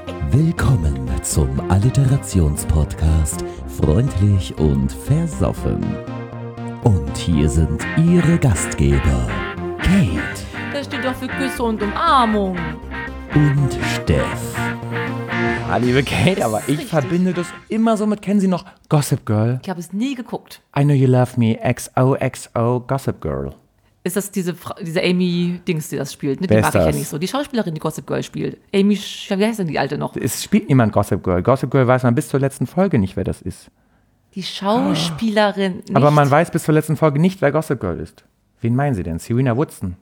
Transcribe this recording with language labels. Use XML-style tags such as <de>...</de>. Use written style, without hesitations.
<de>Willkommen zum Alliterationspodcast Freundlich und Versoffen. Und hier sind Ihre Gastgeber, Kate. Das steht doch für Küsse und Umarmung. Und Steff. Ja, liebe Kate, aber ich richtig. Verbinde das immer so mit, kennen Sie noch Gossip Girl? Ich habe es nie geguckt.</de> <en>I know you love me, XOXO, Gossip Girl.</en> <de>Ist das diese Amy-Dings, die das spielt? Ne? Die mag ich ja nicht so. Die Schauspielerin, die Gossip Girl spielt. Amy, wie heißt denn die Alte noch? Es spielt niemand Gossip Girl. Gossip Girl weiß man bis zur letzten Folge nicht, wer das ist. Die Schauspielerin nicht. Aber man weiß bis zur letzten Folge nicht, wer Gossip Girl ist. Wen meinen Sie denn? Serena Woodson?</de>